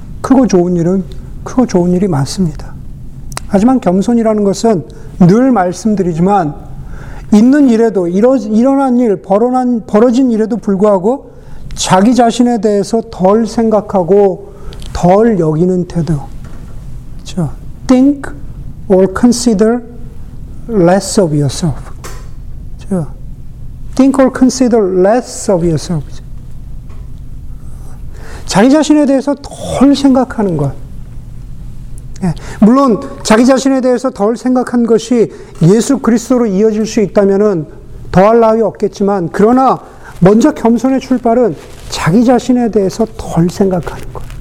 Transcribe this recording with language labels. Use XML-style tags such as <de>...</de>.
<ko>크고 좋은 일은 크고 좋은 일이 많습니다. 하지만 겸손이라는 것은 늘 말씀드리지만 있는 일에도 일어난 일, 벌어진 일에도 불구하고 자기 자신에 대해서 덜 생각하고 덜 여기는 태도. 그렇죠?</ko> <en>Think or consider less of yourself.</en> <ko>그렇죠?</ko> <en>Think or consider less of yourself.</en> <ko>자기 자신에 대해서 덜 생각하는 것. 물론 자기 자신에 대해서 덜 생각한 것이 예수 그리스도로 이어질 수 있다면은 더할 나위 없겠지만, 그러나 먼저 겸손의 출발은 자기 자신에 대해서 덜 생각하는 것.</ko>